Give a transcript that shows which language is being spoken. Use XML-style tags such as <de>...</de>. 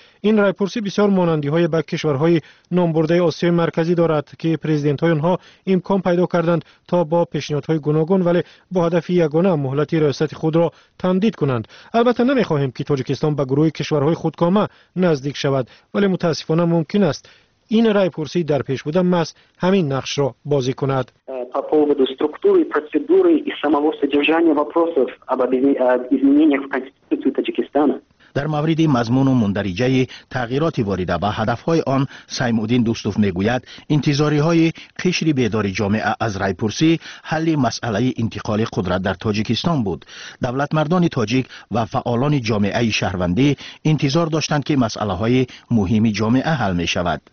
<fa>این رای پرسی بسیار مانندی های به کشورهای نامبرده آسیای مرکزی دارد که پرزیدنت های آنها امکان پیدا کردند تا با پیشنهادهای گوناگون ولی با هدف یگانه مهلت ریاست خود را تمدید کنند. البته نمیخواهیم که تاجیکستان به گروه کشورهای خودکامه نزدیک شود، ولی متاسفانه ممکن است این رای پرسی در پیش بوده مس همین نقش را بازی کند.</fa> <ru>По поводу структуры, процедуры и самого содержания вопросов об изменениях в Конституции Таджикистана.</ru> <fa>در مورد مضمون و مندرجه‌ی تغییرات وارده به هدف‌های آن، سیمودین دوستوف می‌گوید انتظاری‌های قشر بیدار جامعه از رای‌پرسی حل مسئله انتقال قدرت در تاجیکستان بود. دولت مردان تاجیک و فعالان جامعه شهروندی انتظار داشتند که مسئله‌های مهم جامعه حل می‌شود.</fa>